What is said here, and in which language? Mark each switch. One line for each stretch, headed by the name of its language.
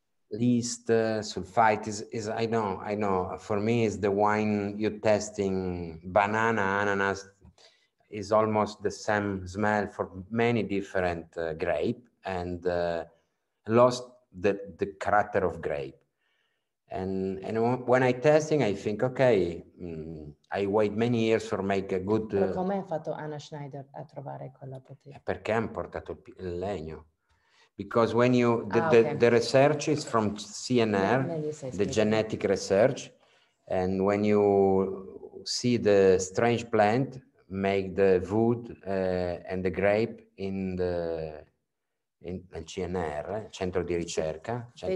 English: least sulfite is I know for me is the wine you testing banana ananas is almost the same smell for many different grape and lost the character of grape. And when I testing, I think, okay, I wait many years for make a good...
Italian: Come ha fatto Anna Schneider a trovare quella bottiglia? Perché ha portato il legno.
English: Because when you... The research is from CNR, the genetic research. And when you see the strange plant, make the wood and the grape in the...
Italian: In CNR, centro di ricerca, centro